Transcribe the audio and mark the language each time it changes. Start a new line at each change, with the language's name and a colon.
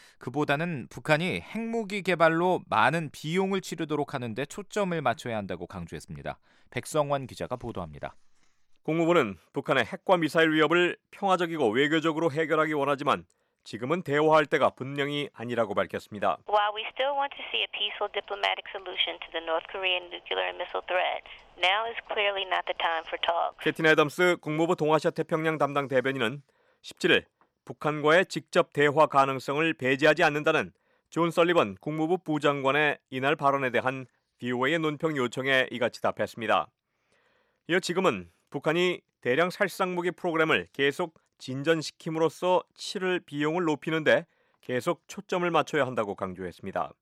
Korean: 그보다는 북한이 핵무기 개발로 많은 비용을 치르도록 하는 데 초점을 맞춰야 한다고 강조했습니다. 백성원 기자가 보도합니다. 국무부는 북한의 핵과 미사일 위협을 평화적이고 외교적으로 해결하기 원하지만 지금은 대화할 때가 분명히 아니라고 밝혔습니다.
English: While we still want to see a peaceful diplomatic solution to the North Korean nuclear and missile threat, now is clearly not the time for talk.
Korean: 캐티 애덤스 국무부 동아시아 태평양 담당 대변인은 17일 북한과의 직접 대화 가능성을 배제하지 않는다는 존 설리번 국무부 부장관의 이날 발언에 대한 VOA의 논평 요청에 이같이 답했습니다. 이어 지금은 북한이 대량 살상무기 프로그램을 계속 진전시킴으로써 치를 비용을 높이는데 계속 초점을 맞춰야 한다고 강조했습니다.